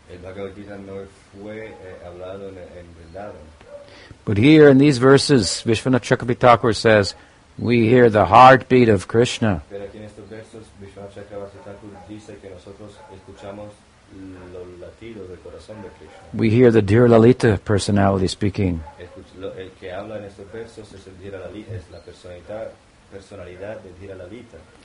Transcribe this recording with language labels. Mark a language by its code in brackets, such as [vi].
[es] El Bhagavad Gita no fue hablado en Vrindavan. [en] But here in these verses, Visvanatha Chakravarti Thakur says, we hear the heartbeat of Krishna. [es] Pero aquí en estos versos, Visvanatha Chakravarti Thakur dice que nosotros escuchamos los latidos del corazón de Krishna. [en] We hear the Dhiralalita personality speaking. [es] El que habla en estos versos es el Dhiralalita, es la personalidad de Dhiralalita.